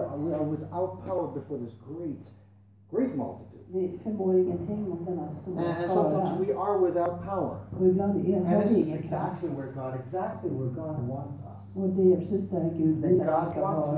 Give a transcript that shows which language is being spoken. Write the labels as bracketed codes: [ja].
[en] We are without power before this great multitude. [sv] Vi förmår ingenting mot denna stora skara. [en] And sometimes we are without power. [sv] Vi ibland är ingen kraft. [en] And this is exactly where God wants us. [sv] Och det är precis där Gud vill att jag ska vara.